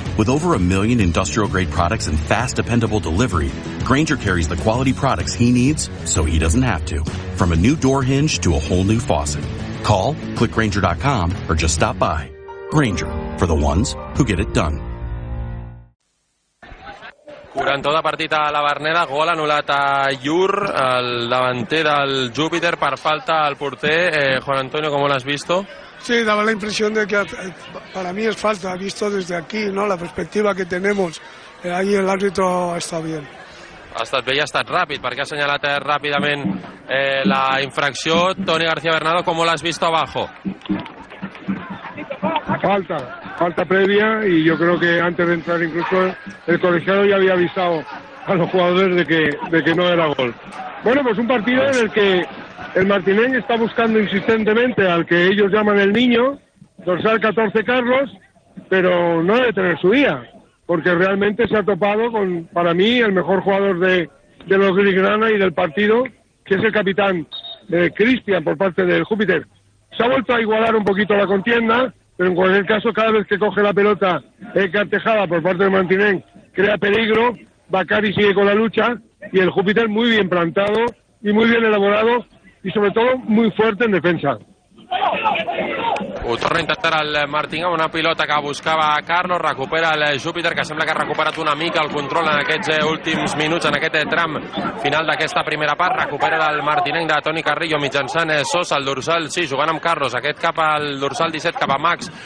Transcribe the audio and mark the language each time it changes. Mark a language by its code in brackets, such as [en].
[en] With over a million industrial-grade products and fast, dependable delivery, Grainger carries the quality products he needs so he doesn't have to. From a new door hinge to a whole new faucet. Call, click Grainger.com, or just stop by. Grainger, for the ones who get it done. [ca] 40 de partit a la Verneda, gol anul·lat a Llur, el davanter del Júpiter, per falta al porter. [es] Juan Antonio, ¿cómo lo has visto? Sí, daba la impresión de que para mí es falta, visto desde aquí, ¿no? La perspectiva que tenemos, ahí el árbitro está bien. [ca] Ha estat bé i ha estat ràpid, perquè ha assenyalat ràpidament la infracció. [es] Toni García Bernardo, ¿cómo lo has visto abajo? Falta. Falta previa y yo creo que antes de entrar incluso el colegiado ya había avisado a los jugadores de que no era gol. Bueno, pues un partido en el que el Martinén está buscando insistentemente al que ellos llaman el niño, dorsal 14 Carlos, pero no debe tener su día, porque realmente se ha topado con, para mí, el mejor jugador de los grisgrana y del partido, que es el capitán Cristian por parte del Júpiter. Se ha vuelto a igualar un poquito la contienda, pero en cualquier caso, cada vez que coge la pelota Cartejada por parte de Martinén, crea peligro. Bacari sigue con la lucha y el Júpiter muy bien plantado y muy bien elaborado y sobre todo muy fuerte en defensa. [ca] Ho torna a intentar el Martín amb una pilota que buscava Carlos, recupera el Júpiter, que sembla que ha recuperat una mica el control en aquests últims minuts, en aquest tram final d'aquesta primera part. Recupera el Martinenc de Toni Carrillo mitjançant Sosa, el dorsal 6, jugant amb Carlos, aquest cap al dorsal 17, cap a Max.